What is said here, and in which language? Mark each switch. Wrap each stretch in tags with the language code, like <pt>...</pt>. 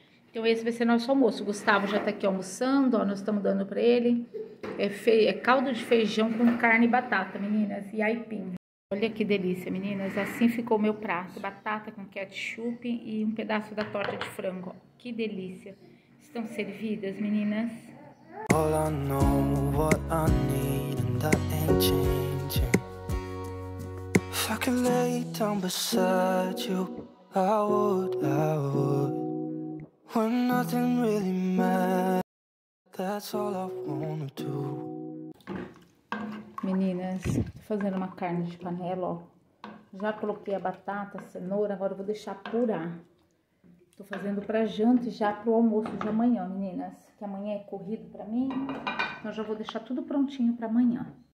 <pt>Então esse vai ser nosso almoço. O Gustavo já tá aqui almoçando, ó, nós estamos dando pra ele. É caldo de feijão com carne e batata, meninas, e aipim. Olha que delícia, meninas, assim ficou o meu prato. Batata com ketchup e um pedaço da torta de frango, ó. Que delícia. Estão servidas, meninas?</pt> <en>All I know, what I need, and that ain't changing. If I could lay down beside you, I would, I would. When nothing really matters, that's all I wanna do.</en> <pt>Meninas, tô fazendo uma carne de panela, ó. Já coloquei a batata, a cenoura, agora eu vou deixar apurar. Tô fazendo pra janta e já pro almoço de amanhã, meninas. Que amanhã é corrido pra mim, então já vou deixar tudo prontinho pra amanhã.</pt>